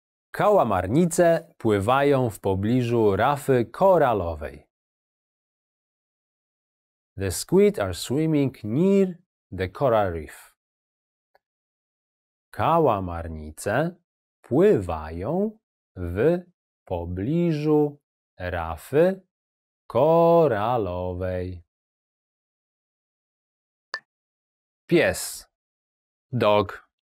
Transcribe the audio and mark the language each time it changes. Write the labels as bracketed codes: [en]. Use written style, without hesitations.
[pl] Kałamarnice pływają w pobliżu rafy koralowej. [en] The squid are swimming near the coral reef. [pl] Kałamarnice pływają w pobliżu rafy koralowej. Pies. Dog.